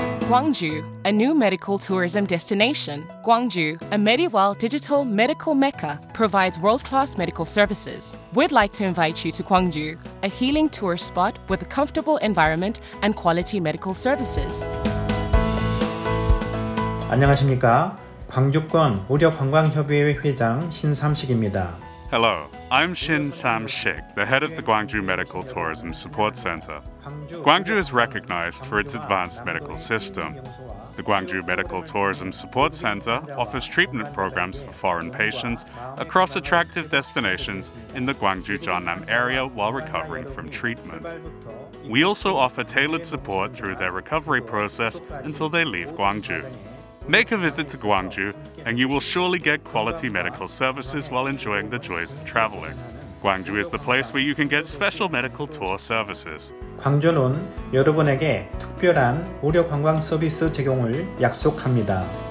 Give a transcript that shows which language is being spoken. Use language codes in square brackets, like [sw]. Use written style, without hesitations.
[en] Gwangju, a new medical tourism destination. Gwangju, a medieval digital medical mecca, provides world-class medical services. We'd like to invite you to Gwangju, a healing tourist spot with a comfortable environment and quality medical services. [ko] 안녕하십니까? 광주권 의료관광협의회 회장 신삼식입니다. [en] Hello, I'm Shin Sam-shik, the head of the Gwangju Medical Tourism Support Center. Gwangju is recognized for its advanced medical system. The Gwangju Medical Tourism Support Center offers treatment programs for foreign patients across attractive destinations in the Gwangju Jeonnam area while recovering from treatment. We also offer tailored support through their recovery process until they leave Gwangju. Make a visit to Gwangju, and you will surely get quality medical services while enjoying the joys of traveling. Gwangju is the place where you can get special medical tour services. [ko] 광주는 여러분에게 특별한 의료 관광 서비스 제공을 약속합니다.